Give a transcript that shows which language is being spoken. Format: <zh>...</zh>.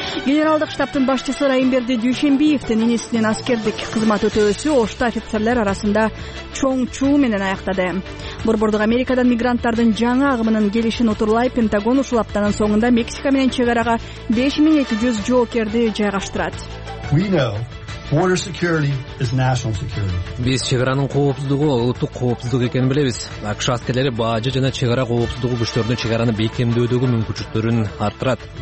<ky>Генералдык штабтын башчысы Райымберди Дүйшөнбеевдин энесинин аскердик кызмат өтөөсү Ошто офицерлер арасында чоң чуу менен аяктады. Борбордук Америкадан мигранттардын жаңы агымынын келишин отурулай Пентагон ушул аптанын соңунда Мексика менен чек арага 5200 жоокерди жайгаштырат.</ky> <en>Border security is national security.</en> <ky>Биз чек аранын коопсуздугу улуттук коопсуздук экенин билебиз. АКШ аскерлери баажы жана чек ара коопсуздугу күчтөрүнө чек араны бекемдөөдөгү мүмкүнчүлүктөрүн арттырат.</ky>